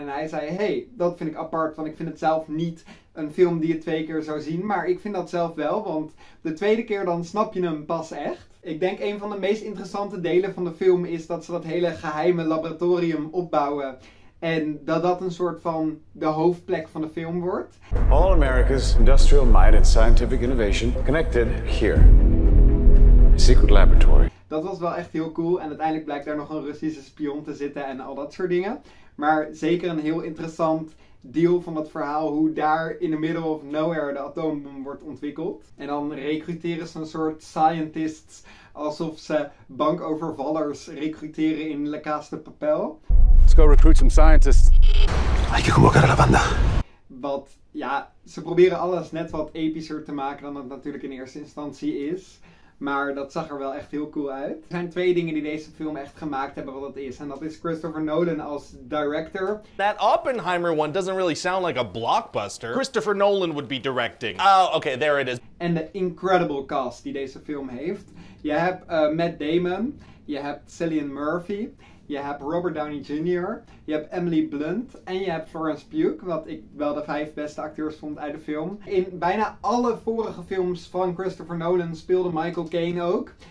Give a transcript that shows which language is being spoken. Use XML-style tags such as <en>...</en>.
<nl>En hij zei, hey, dat vind ik apart, want ik vind het zelf niet een film die je twee keer zou zien. Maar ik vind dat zelf wel, want de tweede keer dan snap je hem pas echt. Ik denk een van de meest interessante delen van de film is dat ze dat hele geheime laboratorium opbouwen. En dat dat een soort van de hoofdplek van de film wordt.</nl> <en>All America's industrial might and scientific innovation connected here. Secret laboratory.</en> <nl>Dat was wel echt heel cool en uiteindelijk blijkt daar nog een Russische spion te zitten en al dat soort dingen. Maar zeker een heel interessant deel van het verhaal hoe daar</nl> <en>in the middle of nowhere</en> <nl>de atoombom wordt ontwikkeld. En dan recruteren ze een soort scientists alsof ze bankovervallers recruteren in La Casa de Papel.</nl> <en>Let's go recruit some scientists.</en> <nl>Wat, ja, ze proberen alles net wat epischer te maken dan het natuurlijk in eerste instantie is. Maar dat zag er wel echt heel cool uit. Er zijn twee dingen die deze film echt gemaakt hebben wat het is. En dat is Christopher Nolan als director.</nl> <en>That Oppenheimer one doesn't really sound like a blockbuster. Christopher Nolan would be directing. Oh, okay, there it is.</en> <nl>En de</nl> <en>incredible</en> <nl>cast die deze film heeft. Je hebt Matt Damon. Je hebt Cillian Murphy. Je hebt Robert Downey Jr., je hebt Emily Blunt en je hebt Florence Pugh, wat ik wel de vijf beste acteurs vond uit de film. In bijna alle vorige films van Christopher Nolan speelde Michael Caine ook.</nl>